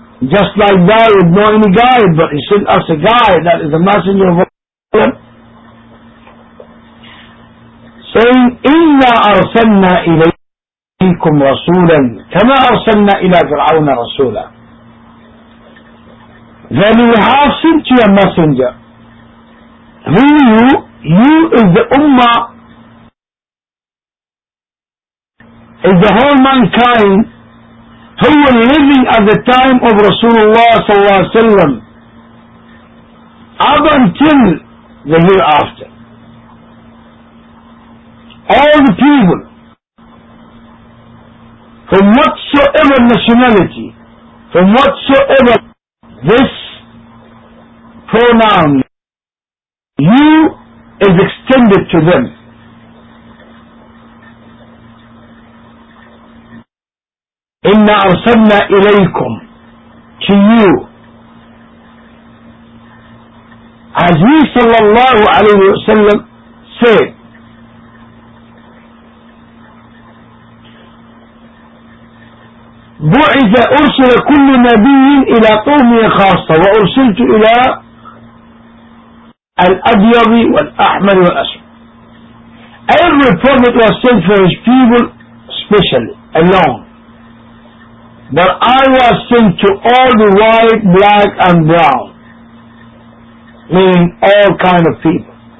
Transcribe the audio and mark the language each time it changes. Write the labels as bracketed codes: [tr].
[en] just like that with no any guide, but he sent us a guide that is the messenger of Allah. [ar] Saying, Inna arsalna ilay إليكم رسولا كما أرسلنا إلى فرعون رسولا. [en] Then we have sent you a messenger. Who are you? You is the ummah, is the whole mankind who were living at the time of Rasulullah [ar] صلى الله عليه وسلم [en] up until the hereafter. All the people from whatsoever nationality, from whatsoever, this pronoun, you, is extended to them. [ar] Inna arsalna ilaykum, [en] to you. As he sallallahu alayhi wa sallam said, [ar] بعث أرسل كل نبي إلى قومه خاصة وأرسلت إلى الأبيض والأحمر والأسود. [en] Every prophet was sent for his people specially, alone. But I was sent to all the white, black and brown, meaning all kind of people.